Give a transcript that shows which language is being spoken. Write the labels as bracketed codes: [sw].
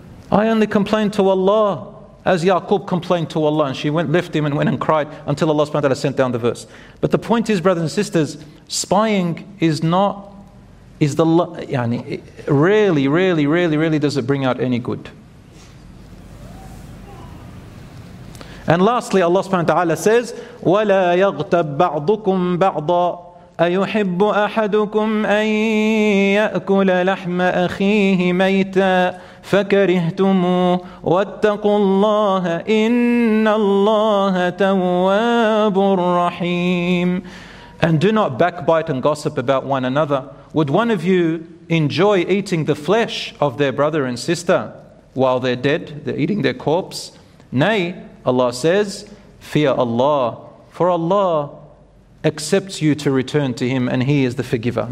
[en] I only complained to Allah, as Yaqub complained to Allah." And she left him and went and cried until Allah subhanahu wa ta'ala sent down the verse. But the point is, brothers and sisters, spying is not, is the, yani, rarely does it bring out any good. And lastly, Allah subhanahu wa ta'ala says, [ar] وَلَا يَغْتَبْ بَعْضُكُمْ بَعْضًا أَيُحِبُّ أَحَدُكُمْ أَن يَأْكُلَ لَحْمَ أَخِيهِ مَيْتًا فَكَرِهْتُمُوهُ وَاتَّقُوا اللَّهَ إِنَّ اللَّهَ تَوَّابٌ رَحِيمٌ. [en] And do not backbite and gossip about one another. Would one of you enjoy eating the flesh of their brother and sister while they're dead? They're eating their corpse. Nay, Allah says, fear Allah, for Allah accepts you to return to Him, and He is the forgiver.